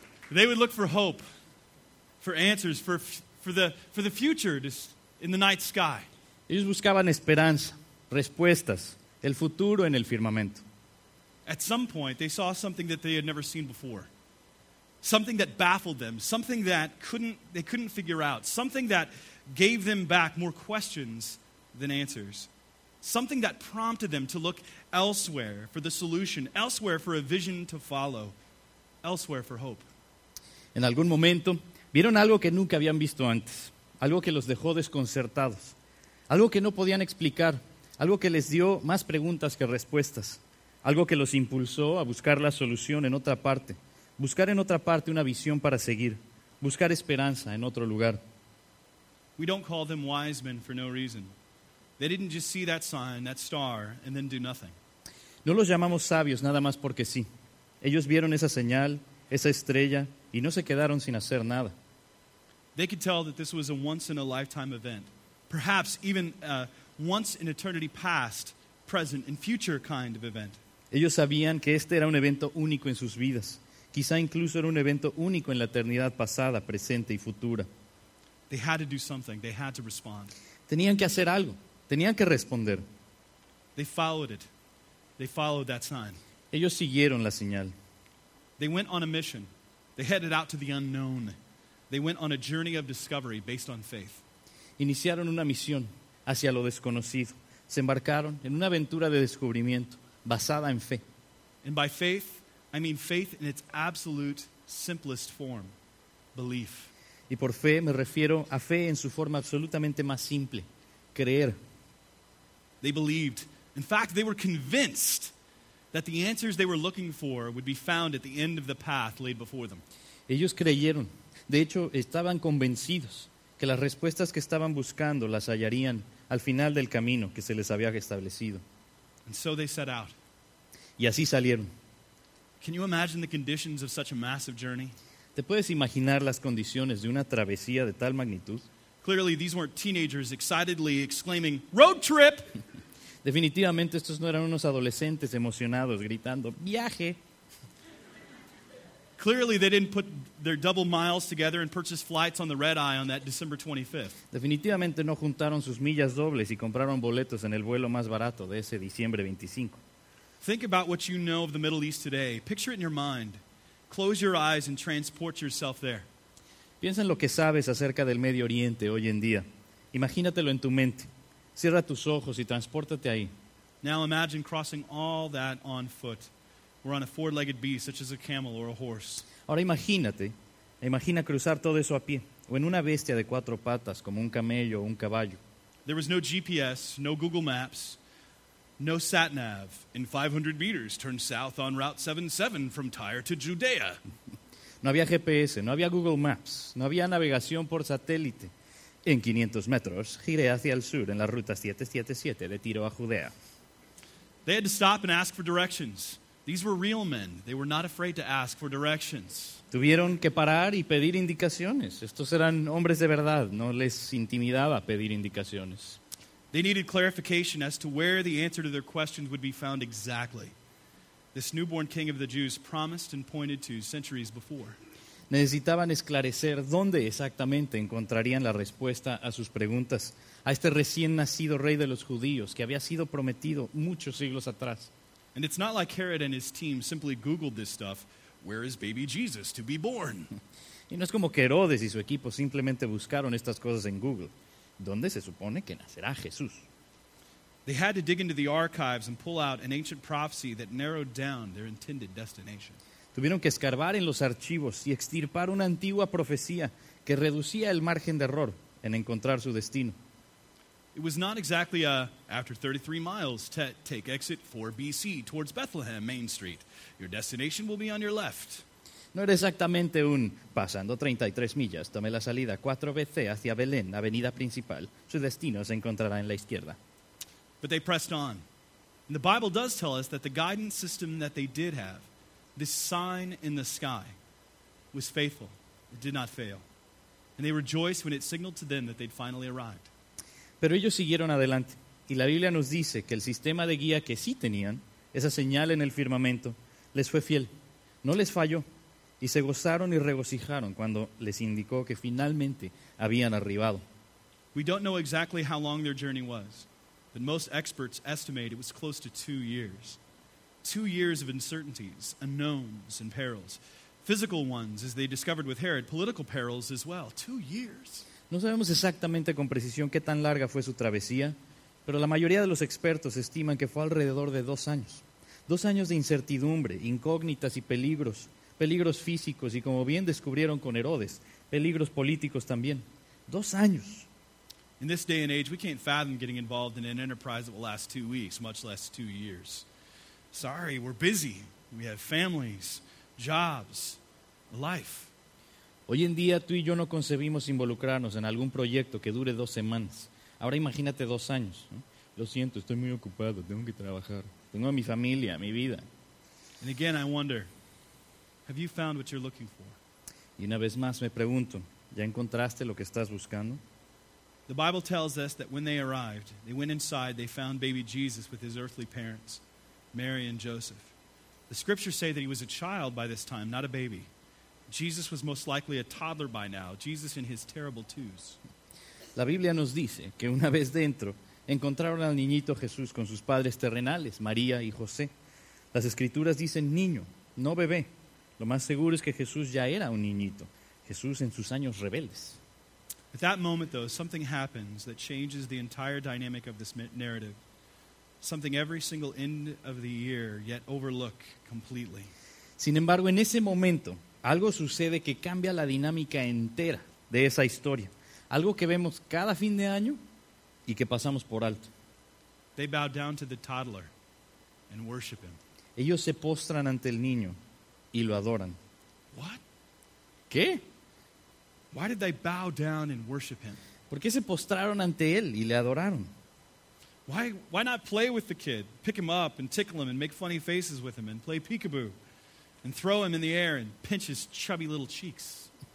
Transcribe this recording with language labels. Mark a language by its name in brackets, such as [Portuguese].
[English] They would look for hope, for answers, for the future in the night sky. [Spanish] Ellos buscaban esperanza, respuestas, el futuro en el firmamento. [English] At some point, they saw something that they had never seen before. Something that baffled them. Something that they couldn't figure out. Something that gave them back more questions than answers. Something that prompted them to look elsewhere for the solution, elsewhere for a vision to follow, elsewhere for hope. [Spanish] En algún momento, vieron algo que nunca habían visto antes. Algo que los dejó desconcertados. Algo que no podían explicar. Algo que les dio más preguntas que respuestas. Algo que los impulsó a buscar la solución en otra parte. Buscar en otra parte una visión para seguir. Buscar esperanza en otro lugar. [English] We don't call them wise men for no reason. They didn't just see that sign, that star, and then do nothing. [Spanish] No los llamamos sabios nada más porque sí. Ellos vieron esa señal, esa estrella, y no se quedaron sin hacer nada. [English] They could tell that this was a once-in-a-lifetime event. Perhaps even a once-in-eternity past, present, and future kind of event. [Spanish] Ellos sabían que este era un evento único en sus vidas. Quizá incluso era un evento único en la eternidad pasada, presente y futura. [English] They had to do something. They had to respond. [Spanish] Tenían que hacer algo. Tenían que responder. [English] They followed it. They followed that sign. [Spanish] Ellos siguieron la señal. [English] They went on a mission. They headed out to the unknown. They went on a journey of discovery based on faith. [Spanish] Iniciaron una misión hacia lo desconocido. Se embarcaron en una aventura de descubrimiento basada en fe. [English] And by faith, I mean faith in its absolute simplest form, belief. [Spanish] Y por fe me refiero a fe en su forma absolutamente más simple, creer. [English] They believed. In fact, they were convinced that the answers they were looking for would be found at the end of the path laid before them. [Spanish] Ellos creyeron. De hecho, estaban convencidos que las respuestas que estaban buscando las hallarían al final del camino que se les había establecido. [English] And so they set out. [Spanish] Y así salieron. [English] Can you imagine the conditions of such a massive journey? [Spanish] ¿Te puedes imaginar las condiciones de una travesía de tal magnitud? [English] Clearly, these weren't teenagers excitedly exclaiming, "Road trip!" [Spanish] Definitivamente, estos no eran unos adolescentes emocionados gritando, "Viaje!" [English] Clearly, they didn't put their double miles together and purchase flights on the red eye on that December 25th. [Spanish] Definitivamente no juntaron sus millas dobles y compraron boletos en el vuelo más barato de ese diciembre 25. [English] Think about what you know of the Middle East today. Picture it in your mind. Close your eyes and transport yourself there. [Spanish] Piensa en lo que sabes acerca del Medio Oriente hoy en día. Imagínatelo en tu mente. Cierra tus ojos y transpórtate ahí. [English] Now imagine crossing all that on foot. We're on a four-legged beast, such as a camel or a horse. [Spanish] Ahora imagina cruzar todo eso a pie, o en una bestia de cuatro patas, como un camello o un caballo. [English] There was no GPS, no Google Maps, no sat-nav. In 500 meters, turn south on Route 77 from Tyre to Judea. [Spanish] No había GPS, no había Google Maps, no había navegación por satélite. En 500 metros, giré hacia el sur en la Ruta 777 de Tiro a Judea. [English] They had to stop and ask for directions. These were real men. They were not afraid to ask for directions. [Spanish] Tuvieron que parar y pedir indicaciones. Estos eran hombres de verdad. No les intimidaba pedir indicaciones. [English] They needed clarification as to where the answer to their questions would be found exactly. This newborn king of the Jews promised and pointed to centuries before. [Spanish] Necesitaban esclarecer dónde exactamente encontrarían la respuesta a sus preguntas a este recién nacido rey de los judíos que había sido prometido muchos siglos atrás. [English] And it's not like Herod and his team simply Googled this stuff. Where is baby Jesus to be born? [Spanish] Y no es como que Herodes y su equipo simplemente buscaron estas cosas en Google. ¿Dónde se supone que nacerá Jesús? [English] They had to dig into the archives and pull out an ancient prophecy that narrowed down their intended destination. [Spanish] Tuvieron que escarbar en los archivos y extirpar una antigua profecía que reducía el margen de error en encontrar su destino. [English] It was not exactly a, after 33 miles, take exit 4BC towards Bethlehem, Main Street. Your destination will be on your left. [Spanish] No era exactamente un, pasando 33 millas, tome la salida 4BC hacia Belén, avenida principal. Su destino se encontrará en la izquierda. [English] But they pressed on. And the Bible does tell us that the guidance system that they did have, this sign in the sky, was faithful. It did not fail. And they rejoiced when it signaled to them that they'd finally arrived. [Spanish] Pero ellos siguieron adelante, y la Biblia nos dice que el sistema de guía que sí tenían, esa señal en el firmamento, les fue fiel, no les falló, y se gozaron y regocijaron cuando les indicó que finalmente habían arribado. [English] We don't know exactly how long their journey was, but most experts estimate it was close to 2 years. 2 years of uncertainties, unknowns, and perils. Physical ones, as they discovered with Herod, political perils as well. 2 years. [Spanish] No sabemos exactamente con precisión qué tan larga fue su travesía, pero la mayoría de los expertos estiman que fue alrededor de 2 años. 2 años de incertidumbre, incógnitas y peligros, peligros físicos y, como bien descubrieron con Herodes, peligros políticos también. 2 años. [English] In this day and age, we can't fathom getting involved in an enterprise that will last 2 weeks, much less 2 years. Sorry, we're busy. We have families, jobs, life. [Spanish] Hoy en día, tú y yo no concebimos involucrarnos en algún proyecto que dure 2 semanas. Ahora imagínate 2 años. Lo siento, estoy muy ocupado, tengo que trabajar. Tengo a mi familia, mi vida. [English] And again, I wonder, have you found what you're looking for? [Spanish] Y una vez más me pregunto, ¿ya encontraste lo que estás buscando? [English] The Bible tells us that when they arrived, they went inside, they found baby Jesus with his earthly parents, Mary and Joseph. The scriptures say that he was a child by this time, not a baby. Jesus was most likely a toddler by now, Jesus in his terrible twos. [Spanish] La Biblia nos dice que una vez dentro, encontraron al niñito Jesús con sus padres terrenales, María y José. Las escrituras dicen niño, no bebé. Lo más seguro es que Jesús ya era un niñito, Jesús en sus años rebeldes. [English] At that moment, though, something happens that changes the entire dynamic of this narrative, something every single end of the year yet overlook completely. [Spanish] Sin embargo, en ese momento, algo sucede que cambia la dinámica entera de esa historia, algo que vemos cada fin de año y que pasamos por alto. [English] They bow down to the toddler and worship him. [Spanish] Ellos se postran ante el niño y lo adoran. [English] What? [Spanish] ¿Qué? [English] Why did they bow down and worship him? [Spanish] ¿Por qué se postraron ante él y le adoraron? [English] Why not play with the kid, pick him up and tickle him and make funny faces with him and play peekaboo and throw him in the air and pinch his chubby little cheeks?